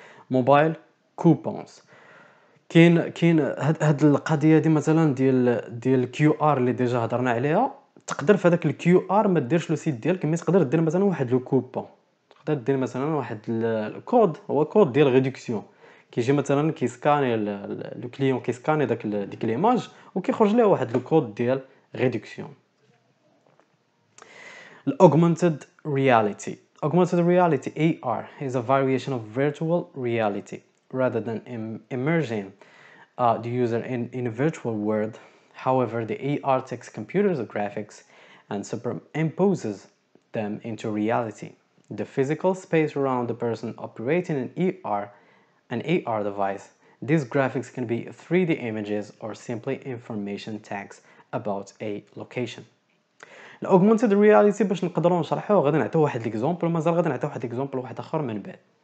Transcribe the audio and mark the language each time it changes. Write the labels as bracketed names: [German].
[Arabic] موبايل كوبونز, كاين هاد القضيه دي مثلا ديال الكيو ار اللي ديجا هضرنا عليها, تقدر في هذاك الكيو ار ما ديرش لو سيت ديالك, مي تقدر دير مثلا واحد لو كوبون, تقدر دير مثلا واحد الكود, هو كود ديال ريدكسيون كيجي مثلا كيسكاني لو كليون كيسكاني داك ديك ليماج وكيخرج ليه واحد لو كود ديال ريدكسيون. [English] الاوغمانتيد reality, augmented reality A R is a variation of virtual reality rather than immersing the user in a virtual world. However, the AR takes computers and graphics and superimposes them into reality. The physical space around the person operating an AR device, these graphics can be 3D images or simply information tags about a location. [Arabic] Augmented reality, باش نقدروا نشرحوا غادي نعطيو واحد ليكزومبل, مازال غادي نعطيو واحد ليكزومبل واحد اخر من بعد.